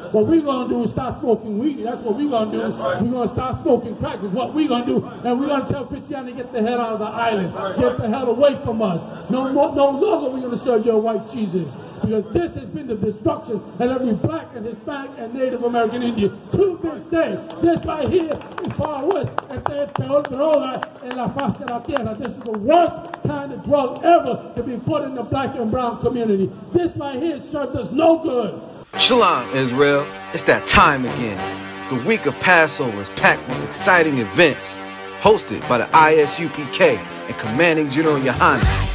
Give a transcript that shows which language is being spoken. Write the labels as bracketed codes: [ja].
[en] That's what we're gonna do is start smoking weed. That's what we're gonna do. Right. We're gonna start smoking crack is what we're gonna do. Right. And we're gonna tell Christianity, get the hell out of the island. Right. Get the hell away from us. No longer we're gonna serve your white Jesus. Because this has been the destruction of every black and Hispanic and Native American Indian to this day. This right here in far west. [es] Este es peor droga en la faz de la tierra. [en] This is the worst kind of drug ever to be put in the black and brown community. This right here served us no good. Shalom, Israel. It's that time again. The week of Passover is packed with exciting events hosted by the ISUPK and Commanding General Yohanan.